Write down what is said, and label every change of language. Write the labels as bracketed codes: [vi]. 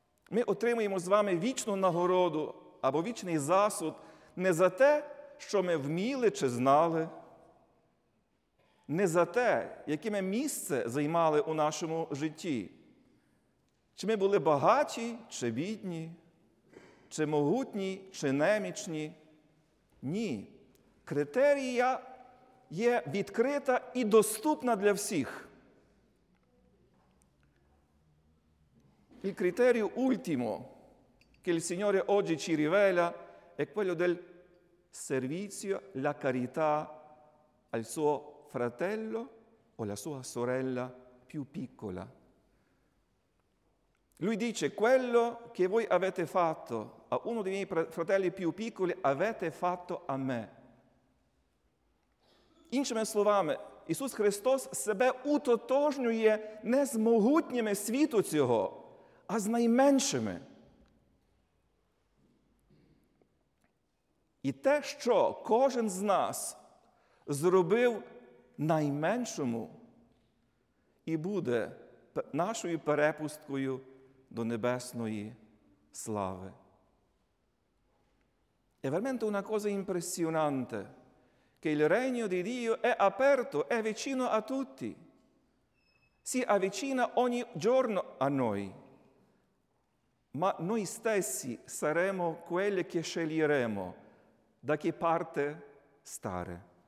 [uk] Ми отримуємо з вами вічну нагороду або вічний засуд не за те, що ми вміли чи знали, не за те, яке ми місце займали у нашому житті, чи ми були багаті чи бідні, чи могутні чи немічні. Ні, критерія є відкрита і доступна для всіх. [it] Il criterio ultimo che il Signore oggi ci rivela è quello del servizio, la carità al suo fratello o la sua sorella più piccola. Lui dice, quello che voi avete fatto a uno dei miei fratelli più piccoli avete fatto a me. [uk] Іншими словами, Ісус Христос себе утотожнює не з могутніми світу цього, а з найменшими. І те, що кожен з нас зробив найменшому, і буде нашою перепусткою до небесної слави. [it] È veramente una cosa impressionante che il regno di Dio è aperto, è vicino a tutti. Si avvicina ogni giorno a noi. Ma noi stessi saremo quelli che sceglieremo da che parte stare.